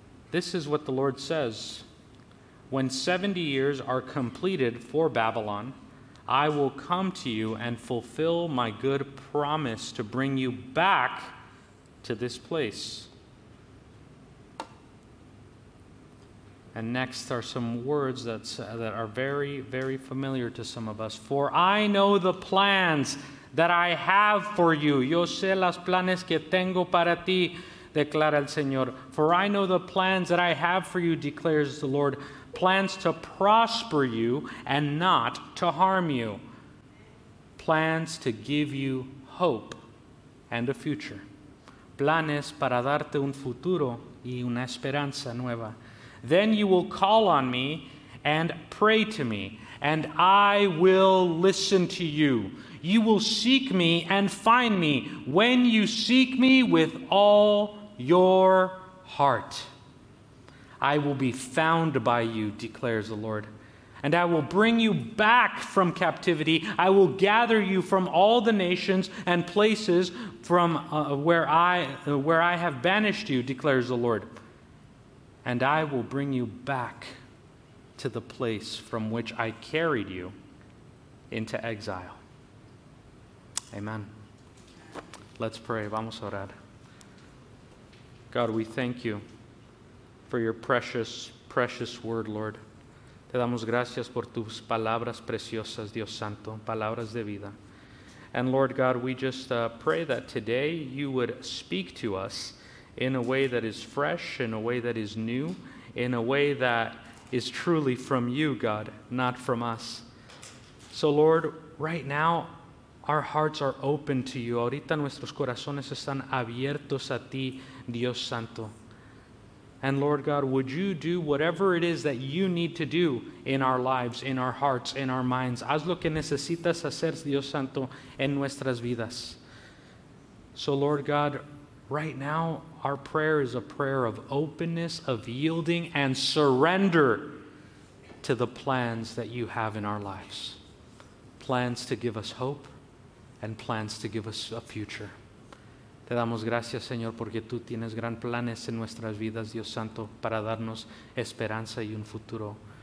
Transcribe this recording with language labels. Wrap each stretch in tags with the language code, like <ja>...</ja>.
<en>This is what the Lord says. When 70 years are completed for Babylon, I will come to you and fulfill my good promise to bring you back to this place. And next are some words that are very, very familiar to some of us. For I know the plans that I have for you.</en> <es>Yo sé las planes que tengo para ti, declara el Señor.</es> <en>For I know the plans that I have for you, declares the Lord. Plans to prosper you and not to harm you. Plans to give you hope and a future.</en> <es>Planes para darte un futuro y una esperanza nueva.</es> <en>Then you will call on me and pray to me, and I will listen to you. You will seek me and find me when you seek me with all your heart. I will be found by you, declares the Lord, and I will bring you back from captivity. I will gather you from all the nations and places from where I have banished you, declares the Lord. And I will bring you back to the place from which I carried you into exile. Amen. Let's pray.</en> <es>Vamos a orar.</es> <en>God, we thank you for your precious, precious word, Lord.</en> <es>Te damos gracias por tus palabras preciosas, Dios Santo, palabras de vida.</es> <en>And Lord God, we just pray that today you would speak to us in a way that is fresh, in a way that is new, in a way that is truly from you, God, not from us. So, Lord, right now, our hearts are open to you.</en> <es>Ahorita nuestros corazones están abiertos a ti, Dios Santo.</es> <en>And, Lord God, would you do whatever it is that you need to do in our lives, in our hearts, in our minds.</en> <es>Haz lo que necesitas hacer, Dios Santo, en nuestras vidas.</es> <en>So, Lord God, right now, our prayer is a prayer of openness, of yielding, and surrender to the plans that you have in our lives. Plans to give us hope and plans to give us a future.</en> <es>Te damos gracias, Señor, porque tú tienes gran planes en nuestras vidas, Dios Santo, para darnos esperanza y un futuro.</es>